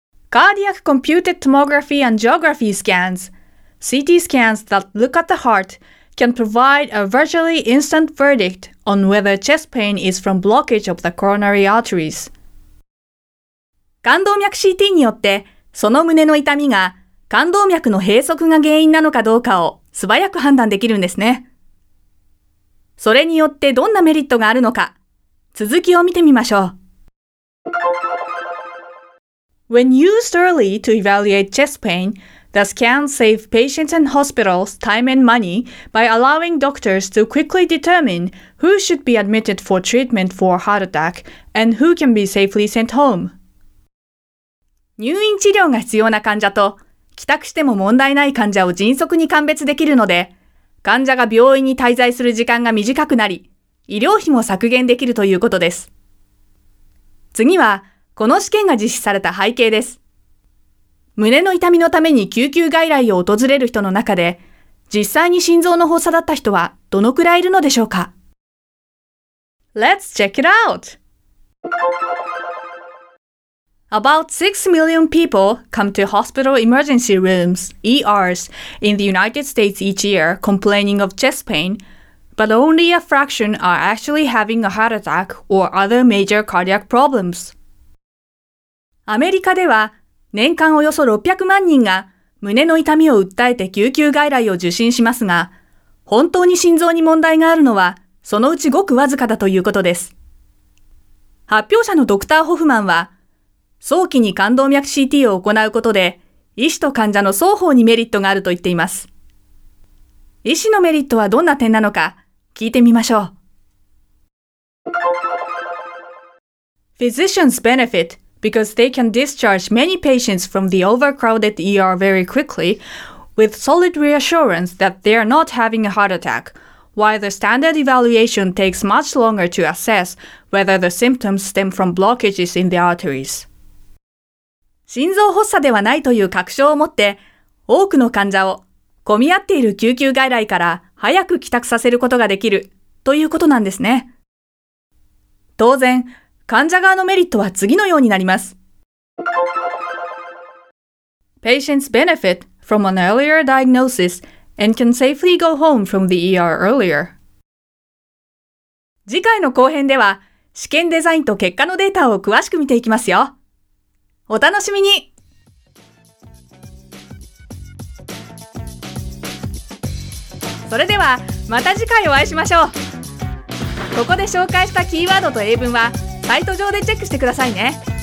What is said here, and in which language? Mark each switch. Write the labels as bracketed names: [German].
[English] Cardiac Computed Tomography and Geography Scans CT scans that look at the heart can provide a virtually instant verdict on whether chest pain is from blockage of the coronary arteries. [Japanese] 冠動脈 CT によって、その胸の痛みが冠動脈の閉塞が原因なのかどうかを素早く判断できるんですね。それによってどんなメリットがあるのか、続きを見てみましょう。 [English] When used early to evaluate chest pain,The scans save patients and hospitals time and money by allowing doctors to quickly determine who should be admitted for treatment for heart attack and who can be safely sent home. [Japanese] 入院治療が必要な患者と帰宅しても問題ない患者を迅速に鑑別できるので、患者が病院に滞在する時間が短くなり、医療費も削減できるということです。次は、この試験が実施された背景です。胸の痛みのために救急外来を訪れる人の中で、実際に心臓の発作だった人はどのくらいいるのでしょうか。 [English] Let's check it out! About 6 million people come to hospital emergency rooms, ERs, in the United States each year complaining of chest pain, but only a fraction are actually having a heart attack or other major cardiac problems. [Japanese] アメリカでは、年間およそ600万人が胸の痛みを訴えて救急外来を受診しますが、本当に心臓に問題があるのはそのうちごくわずかだということです。発表者のドクター・ホフマンは、早期に冠動脈 CT を行うことで医師と患者の双方にメリットがあると言っています。医師のメリットはどんな点なのか聞いてみましょう。 [English] Physicians benefitBecause they can discharge many patients from the overcrowded ER very quickly with solid reassurance that they are not having a heart attack, while the standard evaluation takes much longer to assess whether the symptoms stem from blockages in the arteries. [Japanese] 心臓発作ではないという確証を持って、多くの患者を混み合っている救急外来から早く帰宅させることができるということなんですね。当然、患者側のメリットは次のようになります。 [English] Patients benefit from an earlier diagnosis and can safely go home from the ER earlier. [Japanese] 次回の後編では、試験デザインと結果のデータを詳しく見ていきますよ。お楽しみに。それでは、また次回お会いしましょう。ここで紹介したキーワードと英文は、サイト上でチェックしてくださいね。